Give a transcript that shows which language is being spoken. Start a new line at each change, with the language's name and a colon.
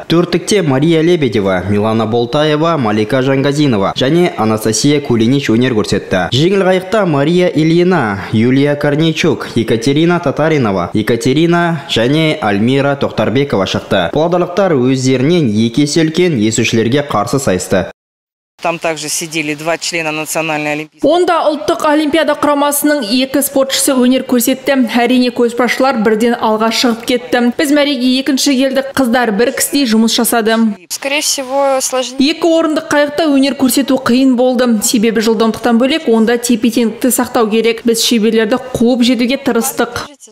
Kazakh: Төрттікте Мария Лебедева, Милана Болтаева, Малика Жангазинова және Анастасия Кулинич өнер көрсетті. Жеңіл қайықта Мария Ильина, Юлия Корнейчук, Екатерина Татаринова, Екатерина және Альмира Тоқтарбекова шықты. Павлодарлықтар өздерінен екі есе үлкен есушілерге қарсы сайысты.
Russian: Там также сидели два члена национальной олимпиады.
Kazakh: Онда ұлттық олимпиада құрамасының екі спортшысы өнер көрсетті. Әрине көзбасшылар бірден алға шығып кетті. Біз мәреге екінші келдік. Қыздар бір кісідей жұмыс жасады. Екі орындық қайықта өнер көрсету қиын болды. Себебі жылдамдықтан бөлек онда тепе-теңдікті сақтау керек. Біз шеберлерді қуып жетуге тырыстық.